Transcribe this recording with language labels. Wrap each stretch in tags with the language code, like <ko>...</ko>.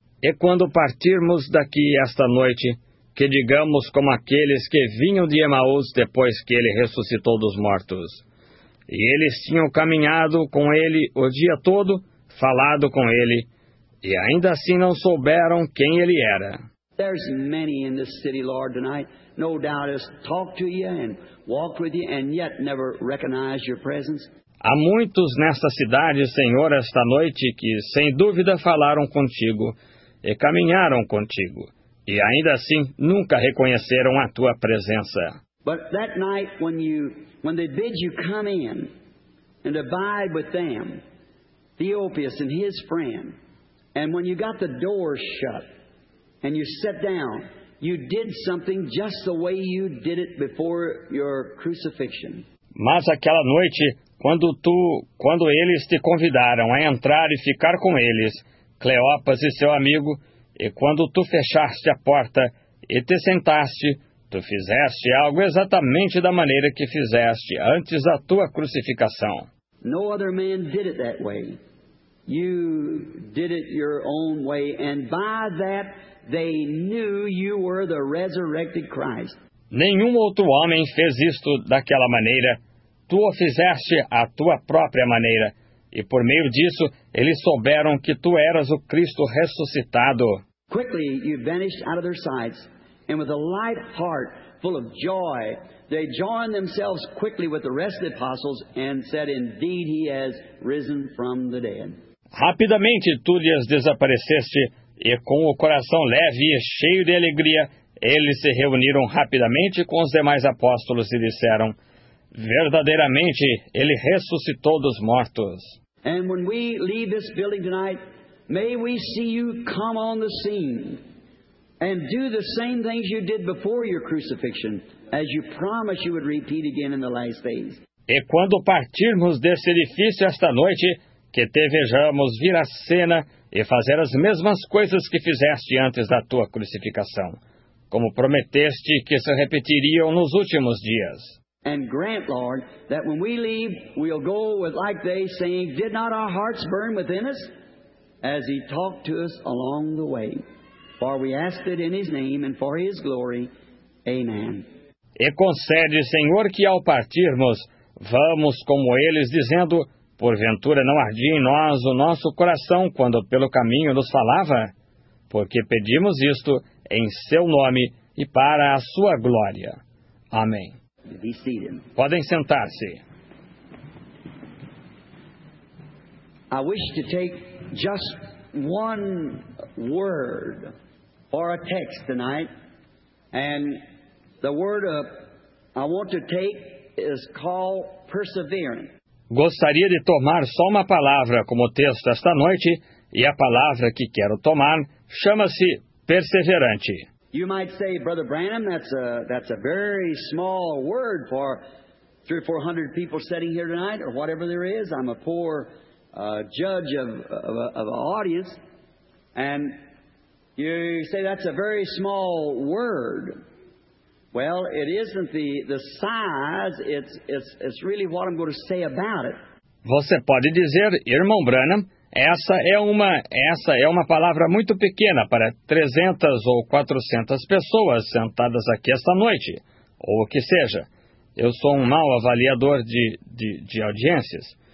<pt>E quando partirmos daqui esta noite, que digamos como aqueles que vinham de Emaús depois que ele ressuscitou dos mortos. E eles tinham caminhado com ele o dia todo, falado com ele, e ainda assim não souberam quem ele era.</pt> <en>There's many in this city, Lord, tonight, no doubt has talked to you and walked with you and yet never recognized your presence.</en> <pt>Há muitos nesta cidade, Senhor, esta noite, que sem dúvida falaram contigo e caminharam contigo. E ainda assim, nunca reconheceram a tua presença.</pt> <en>But that night when they bid you come in and abide with them, Theopius and his friend, and when you got the door shut and you sat down, you did something just the way you did it before your crucifixion.</en> <pt>Mas aquela noite, quando eles te convidaram a entrar e ficar com eles, Cleopas e seu amigo, e quando tu fechaste a porta e te sentaste, tu fizeste algo exatamente da maneira que fizeste antes da tua crucificação.</pt> <en>No other man did it that way. You did it your own way, and by that they knew you were the resurrected Christ.</en> <pt>Nenhum outro homem fez isto daquela maneira. Tu o fizeste à tua própria maneira. E por meio disso, eles souberam que tu eras o Cristo ressuscitado.</pt> <en>Quickly you vanished out of their sights, and with a light heart full of joy, they joined themselves quickly with the rest of the apostles and said, indeed he has risen from the dead.</en> <pt>Rapidamente tu lhes desapareceste, e com o coração leve e cheio de alegria, eles se reuniram rapidamente com os demais apóstolos e disseram, verdadeiramente, ele ressuscitou dos mortos.</pt> <en>And when we leave this building tonight, May we see you come on the scene and do the same things you did before your crucifixion, as you promised you would repeat again in the last days.</en> <pt>E quando partirmos desse edifício esta noite, que te vejamos vir à cena e fazer as mesmas coisas que fizeste antes da tua crucificação, como prometeste que se repetiriam nos últimos dias.</pt> <en>And grant, Lord, that when we leave, we'll go with like they saying, did not our hearts burn within us as he talked to us along the way? For we ask it in his name and for his glory. Amen.</en> <pt>E concede, Senhor, que ao partirmos, vamos como eles, dizendo, porventura não ardia em nós o nosso coração quando pelo caminho nos falava? Porque pedimos isto em seu nome e para a sua glória. Amém. Podem sentar-se.</pt> <en>I wish to take just one word or a text tonight, and the word I want to take is called perseverance.</en> <pt>Gostaria de tomar só uma palavra como texto esta noite, e a palavra que quero tomar chama-se perseverante.</pt> <en>You might say, Brother Branham, that's a very small word for 300 or 400 people sitting here tonight, or whatever there is. I'm a poor judge of an audience, and you say that's a very small word. Well, it isn't the size, it's really what I'm going to say about it.</en> <pt>Você pode dizer, irmão Branham, essa é uma palavra muito pequena para 300 ou 400 pessoas sentadas aqui esta noite, ou o que seja. Eu sou um mau avaliador de audiências.</pt>